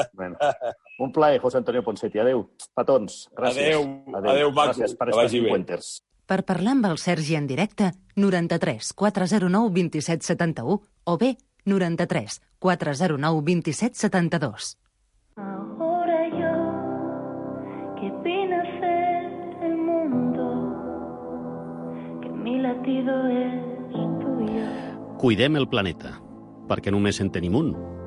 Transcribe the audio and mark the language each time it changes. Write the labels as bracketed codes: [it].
[ca] Bueno. Un plaer, José Antonio Ponseti. Adéu, petons. Adéu, Max. Gràcies per estar aquí, Winters. Per parlar amb el Sergi en directe, 93-409-2771 o bé 93-409-2772. [es] Ahora yo que vine a ser el mundo, que mi latido es tuyo. [ca] Cuidem el planeta, perquè només en tenim un.